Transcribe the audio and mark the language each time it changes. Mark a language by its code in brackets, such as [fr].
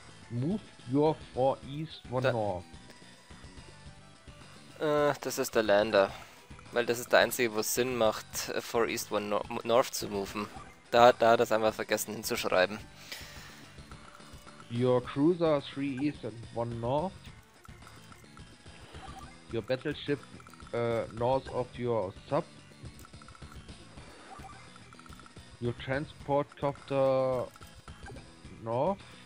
[en] Move your four east, one north. [de] Das ist der Lander. Weil das ist der einzige, wo es Sinn macht, [en] four east, one north [de] zu moven. Da hat er es einfach vergessen hinzuschreiben. [en] Your cruiser 3 east and 1 north. Your battleship north of your sub. Your transport copter north.